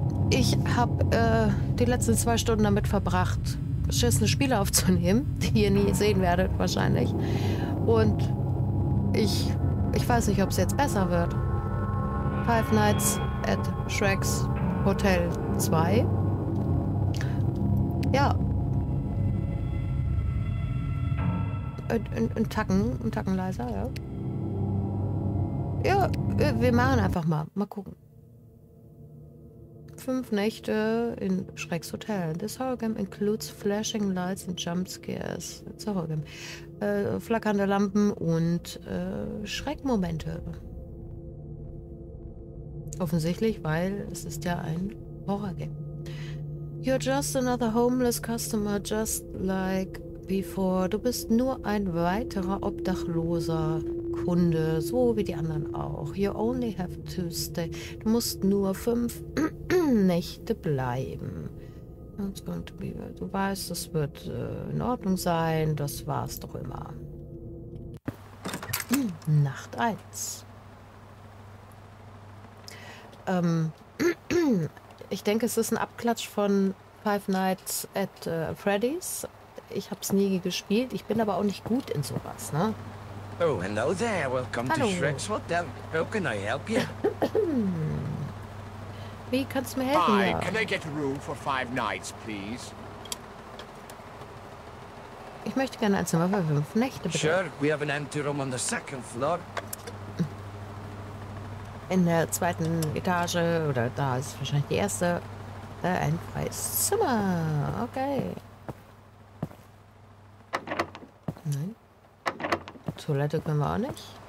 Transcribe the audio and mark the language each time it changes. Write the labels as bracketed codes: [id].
[de] Ich habe die letzten 2 Stunden damit verbracht, beschissene Spiele aufzunehmen, die ihr nie sehen werdet wahrscheinlich. Und ich weiß nicht, ob es jetzt besser wird. [en] Five Nights at Shrek's Hotel 2. [de] Ja. Ein Tacken leiser, ja. Ja, wir machen einfach mal. Mal gucken. 5 Nächte in Shrek's Hotel. [en] This horror game includes flashing lights and jumpscares. It's a horror game. [de] Flackernde Lampen und Schreckmomente. Offensichtlich, weil es ist ja ein Horror-Game. [en] You're just another homeless customer, just like before. [de] Du bist nur ein weiterer obdachloser Kunde, so wie die anderen auch. [en] You only have to stay. [de] Du musst nur 5 Nächte bleiben. Du weißt, das wird in Ordnung sein. Das war's doch immer. Nacht 1. Ich denke, es ist ein Abklatsch von Five Nights at Freddy's. Ich habe es nie gespielt. Ich bin aber auch nicht gut in sowas, ne? [en] Oh, hello there. Welcome to Shrek's Hotel. How can I help you? [de] Wie kannst du mir helfen? [en] Hi, can I get a room for 5 nights, please? [de] Ich möchte gerne ein Zimmer für 5 Nächte, bitte. [en] Sure, we have an empty room on the second floor. [de] In der zweiten Etage, oder da ist wahrscheinlich die erste, ein freies Zimmer. Okay. Nein. Toilette können wir auch nicht.